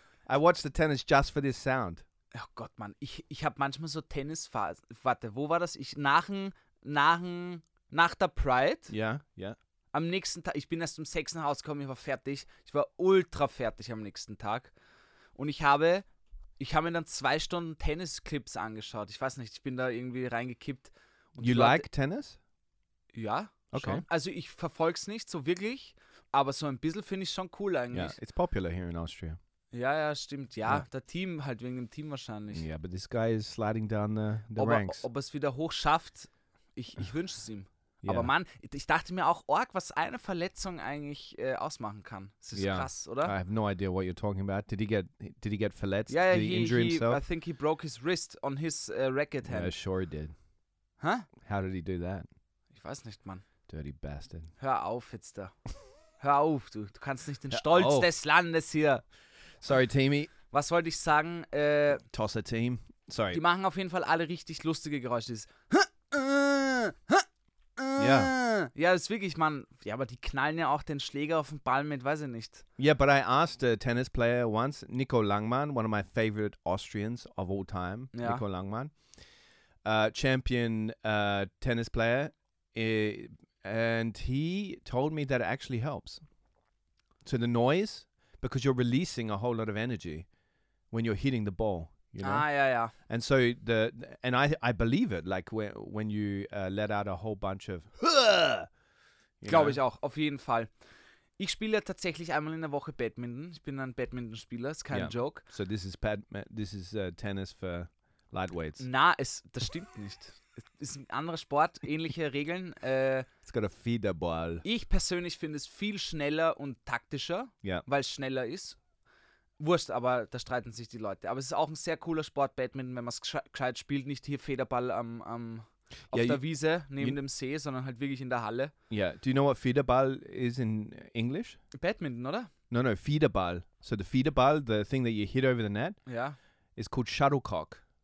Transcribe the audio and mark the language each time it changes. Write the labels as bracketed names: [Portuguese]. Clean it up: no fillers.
[English] I watch the tennis just for this sound. [German] Oh Gott, Mann. Ich habe manchmal so Tennisphasen. Warte, wo war das? Nach der Pride. Ja, ja. Am nächsten Tag. Ich bin erst um 6 nach Hause gekommen. Ich war fertig. Ich war ultra fertig am nächsten Tag. Und ich habe mir dann 2 Stunden Tennisclips angeschaut. Ich weiß nicht. Ich bin da irgendwie reingekippt. Und [English] you like Tennis? [German] Ja. Okay. Schon. Also ich verfolge es nicht so wirklich. Aber so ein bisschen finde ich schon cool eigentlich. [English] Yeah, it's popular here in Austria. [German] Ja, ja, stimmt. Ja, [English] yeah. [German] Der Team, halt wegen dem Team wahrscheinlich. [English] Yeah, but this guy is sliding down the ranks. [German] Ob er es wieder hoch schafft, ich wünsche es ihm. [English] Yeah. [German] Aber Mann, ich dachte mir auch, Org, was eine Verletzung eigentlich ausmachen kann. Das ist [English] yeah. [German] krass, oder? [English] I have no idea what you're talking about. Did he get [German] verletzt? [English] Yeah, did he injure himself? I think he broke his wrist on his racket hand. Yeah, sure he did. Huh? How did he do that? [German] Ich weiß nicht, Mann. [English] Dirty bastard. [German] Hör auf jetzt da. Hör auf, du kannst nicht den Stolz des Landes hier. [English] Sorry, Teamy. [German] Was wollte ich sagen? [English] Tosser Team. Sorry. [German] Die machen auf jeden Fall alle richtig lustige Geräusche. Das ist [English] yeah. [German] Ja, das ist wirklich, Mann. Ja, aber die knallen ja auch den Schläger auf den Ball mit, weiß ich nicht. [English] Yeah, but I asked a tennis player once, Nico Langmann, one of my favorite Austrians of all time, [German] ja. [English] Nico Langmann, champion tennis player, and he told me that it actually helps. So the noise, because you're releasing a whole lot of energy when you're hitting the ball, you know? Ah, yeah, yeah. And so I believe it, like when you let out a whole bunch of... [German] Glaube ich auch, auf jeden Fall. Ich spiele tatsächlich einmal in der Woche Badminton. Ich bin ein Badminton-Spieler, ist kein Joke. [English] So this is tennis for lightweights. [German] Na, das stimmt nicht. Es ist ein anderer Sport, ähnliche Regeln. [English] It's got a feeder ball. [German] Ich persönlich finde es viel schneller und taktischer, weil es schneller ist. Wurscht, aber da streiten sich die Leute. Aber es ist auch ein sehr cooler Sport, Badminton, wenn man es gescheit spielt. Nicht hier Federball auf der Wiese neben dem See, sondern halt wirklich in der Halle. [English] Yeah. Do you know what Federball is in English? [German] Badminton, oder? [English] No, Federball. So the Federball, the thing that you hit over the net, is called Shuttlecock.